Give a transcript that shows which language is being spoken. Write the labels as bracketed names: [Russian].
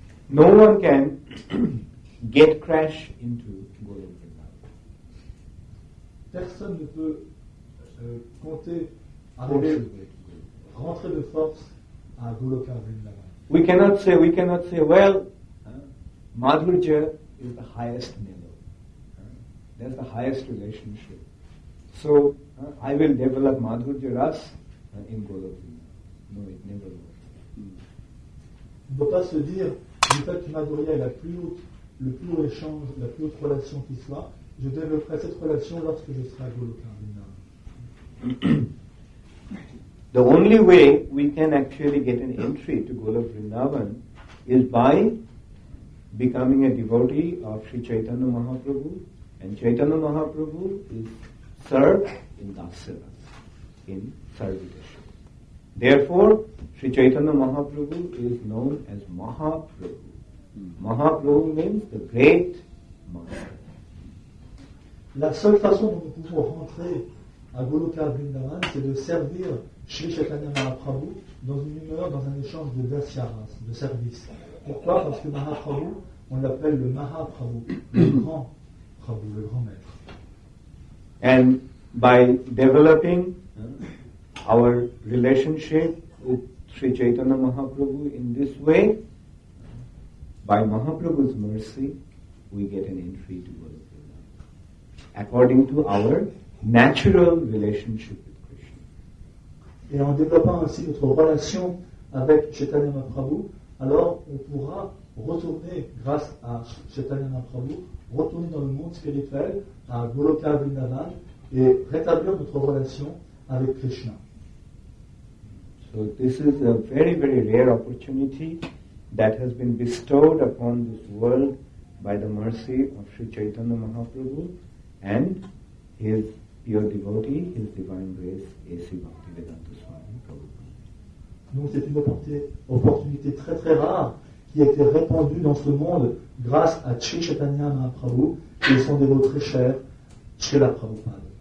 [English] No one can get crash into Goloka Vrindavan. [French] Personne ne peut compter arriver, rentrer de force à Goloka Vrindavan. [English] We cannot say, well, Madhurya is the highest mellow. That's the highest relationship. So I will develop Madhurya Ras in Goloka Vrindavan. No, it never works. [French] On ne peut pas se dire, du fait que Madhurya est le plus haut échange, la plus haute relation qui soit, je développerai cette relation lorsque je serai à Goloka Vrindavan. [English] The only way we can actually get an entry to Goloka Vrindavan is by becoming a devotee of Sri Chaitanya Mahaprabhu, and Chaitanya Mahaprabhu is served in Dasya Ras, in servitorship. Therefore, Sri Chaitanya Mahaprabhu is known as Mahaprabhu. Mahaprabhu means the great master. [French] La seule façon dont nous pouvons rentrer à Goloka Vrindavan, c'est de servir Sri Chaitanya Mahaprabhu dans une humeur, dans un échange de dasyaras, de service. Pourquoi? Parce que Mahaprabhu, on l'appelle le Mahaprabhu, le grand Prabhu, le grand maître. [English] And by developing our relationship with Sri Chaitanya Mahaprabhu in this way, by Mahaprabhu's mercy, we get an entry to Goloka. According to our natural relationship with Krishna. [French] Et en développant ainsi notre relation avec Chaitanya Mahaprabhu, alors on pourra retourner, grâce à Chaitanya Mahaprabhu, retourner dans le monde spirituel, à Goloka Vrindavan, et rétablir notre relation avec Krishna. [English] So this is a very, very rare opportunity that has been bestowed upon this world by the mercy of Sri Chaitanya Mahaprabhu. And his pure devotee, his divine grace, A.C. Bhaktivedanta Swami Prabhupada. [French] Donc c'est une opportunité très très rare qui a été répandue dans ce monde grâce à Sri Chaitanya Mahaprabhu et son dévot très cher, Srila Prabhupada.